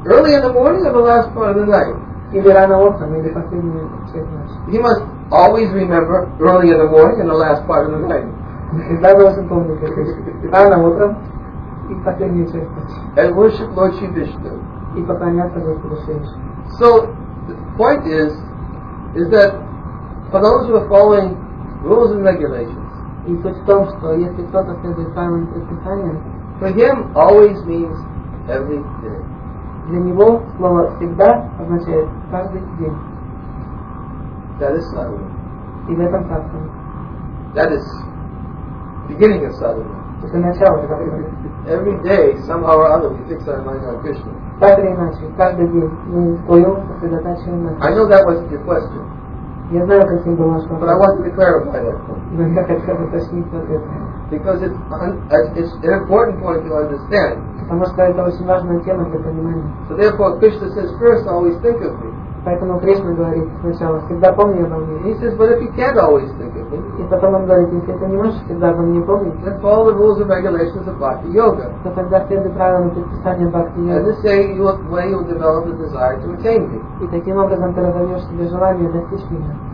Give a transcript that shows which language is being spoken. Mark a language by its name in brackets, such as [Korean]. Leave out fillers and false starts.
[English] Early in the morning or the last part of the night. [Russian] Или рано утром, или последнюю часть ночи. [English] He must always remember early in the morning and the last part of the night. [Russian] Всегда должен помнить это. Рано утром и последнюю часть ночи. [English] And worship Lord Shri Vishnu. [Russian] И поклоняться Господу Шри Вишну. [English] So the point is that for those who are following rules and regulations. [Russian] И суть в том, что если кто-то следует правилам и предписаниям. [English] For him, always means every day. [Russian] Для него слово всегда означает каждый день. [English] That is sadhana. [Russian] И в этом сатхана. [English] That is beginning of sadhana. [Russian] Это начало сатхана. [English] Every day, somehow or other, we fix our mind on Krishna. [Russian] Так или иначе, каждый день мы стоим сосредотачиваем на. [English] I know that wasn't your question. [Russian] Я знаю, каким был ваш вопрос. [English] But I want to clarify that. [Russian] Но я хотел бы уточнить ответ. [English] Because it's an important point to understand. [Russian] Потому что это очень важная тема для понимания. [English] So therefore, Krishna says, first, always think of me. [Russian] Поэтому Кришна говорит сначала, всегда помни обо мне. [English] He says, but if you can't always think of me. [Russian] И потом он говорит, если ты не можешь всегда обо мне помнить. [English] Then follow the rules and regulations of Bhakti Yoga. [Russian] То тогда следуй правилам и предписаниям Бхакти Йоги. [English] And this way you'll develop the desire to attain me. [Russian] И таким образом ты разовьешь себе желание достичь меня.